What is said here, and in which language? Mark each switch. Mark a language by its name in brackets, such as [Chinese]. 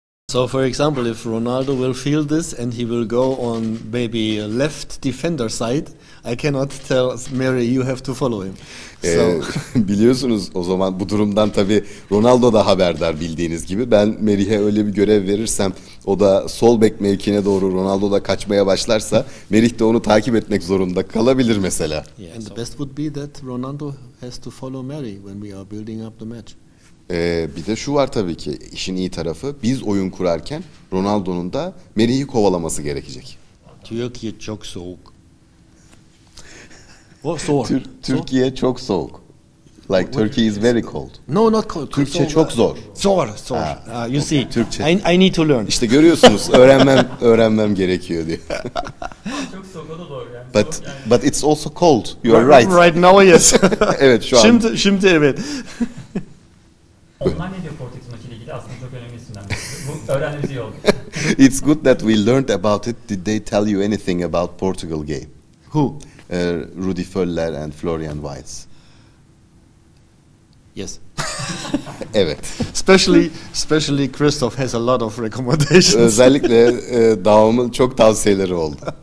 [English] So, for example, if Ronaldo will feel this and he will go on maybe left defender side, I cannot tell Mary you have to follow him. So [Turkish] biliyorsunuz o zaman bu durumdan tabii Ronaldo da haberdar bildiğiniz gibi. Ben Mary'e öyle bir görev verirsem, o da sol bek mevkine doğru Ronaldo da kaçmaya başlarsa, Merih de onu takip etmek zorunda kalabilir mesela. [English] Yeah, and the best would be that Ronaldo has to follow Mary when we are building up the match. [Turkish] Bir de şu var tabii ki, işin iyi tarafı, biz oyun kurarken Ronaldo'nun da Mary'i kovalaması gerekecek. Türkiye çok soğuk. Türkiye çok soğuk. [English] Like Turkey is very cold. No, not cold. [Turkish] Türkçe çok zor. [English] Zor. You see. Türkçe. I need to learn. [Turkish] İşte görüyorsunuz, öğrenmem gerekiyor diye. Çok soğuk, o da doğru yani. [English] But it's also cold. You are right. Right now yes. [Turkish] Evet, şu an. Şimdi evet. Online Media Portex maçıyla ilgili aslında çok önemli isimler. Bu öğrenmemiz iyi oldu. [English] It's good that we learned about it. Did they tell you anything about Portugal game? Who? Rudi Völler and Florian Weitz. Yes. [Turkish] Evet. [English] Especially Christoph has a lot of recommendations. [Turkish] Özellikle Daum'un çok tavsiyeleri oldu.